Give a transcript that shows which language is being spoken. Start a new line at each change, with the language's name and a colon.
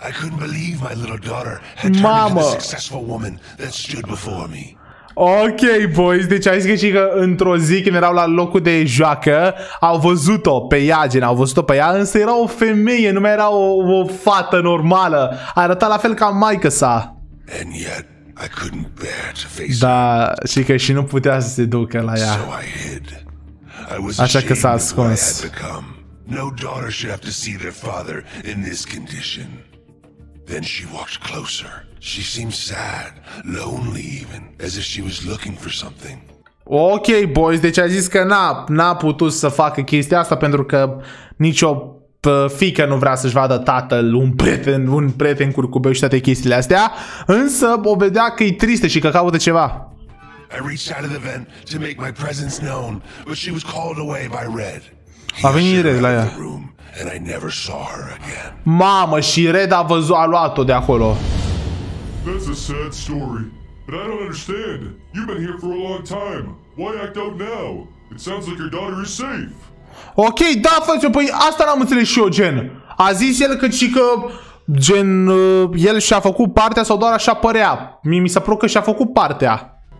English: I couldn't believe my little daughter had turned into the successful woman that stood before me.
Romanian: Ok, boys, deci a zis că și că într-o zi când erau la locul de joacă, au văzut-o pe ea, gen, au văzut-o pe ea, însă era o femeie, nu mai era o fată normală. Arăta la fel ca maică sa.
English: And yet, I couldn't bear to face her.
Romanian: Da, și că și nu putea să se ducă la ea.
English: So I hid.
Romanian: Așa că s-a ascuns.
English: No daughter should have to see their father in this condition. Then she walked closer. She seemed sad, lonely even, as if she was looking for something.
Romanian: Ok, boys, deci a zis că n-a putut să facă chestia asta pentru că nicio fiică nu vrea să-și vadă tatăl, un prieten curcubeu și toate chestiile astea, însă o vedea că e tristă și că caută ceva.
English: I reached out of the vent to make my presence known, but she was called away by Red.
Romanian: A venit Red la ea.
English: And I never saw her again.
Romanian: Mamă, și Red a luat-o de acolo.
English: That's a sad story, but I don't understand. You've been here for a long time. Why act out now? It sounds like your daughter is safe.
Romanian: Ok, da, frate, păi asta n-am înțeles și eu, gen. A zis el că și că, gen, el și-a făcut partea sau doar așa părea. Mi s-a părut că și-a făcut partea.